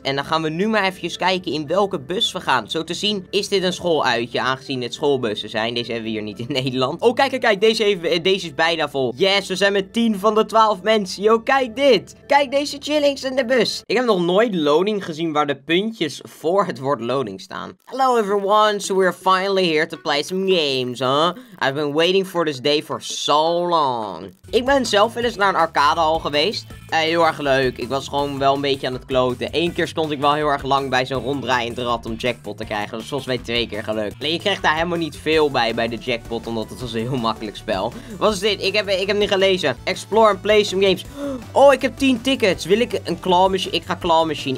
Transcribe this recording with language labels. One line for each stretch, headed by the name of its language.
Dutch: En dan gaan we nu maar even kijken in welke bus we gaan. Zo te zien is dit een schooluitje, aangezien het schoolbussen zijn. Deze hebben we hier niet in Nederland. Oh, kijk, kijk, kijk. Deze is bijna vol. Yes, we zijn met 10 van de 12 mensen. Yo, kijk dit. Kijk deze chillings in de bus. Ik heb nog nooit loading gezien waar de puntjes voor het woord loading staan.
English: Hello everyone, so we're finally here to play some games, huh? I've been waiting for this day for so long.
Dutch: Ik ben zelf wel eens naar een arcadehal geweest. Heel erg leuk. Ik was gewoon wel een beetje aan het kloten. Eén keer stond ik wel heel erg lang bij zo'n ronddraaiend rad om jackpot te krijgen. Dat was volgens mij twee keer gelukt. Alleen je kreeg daar helemaal niet veel bij de jackpot, omdat het was een heel makkelijk spel. Wat is dit? Ik heb niet gelezen.
English: Explore and play some games.
Dutch: Oh, ik heb 10 tickets. Wil ik een claw machine? Ik ga claw machine.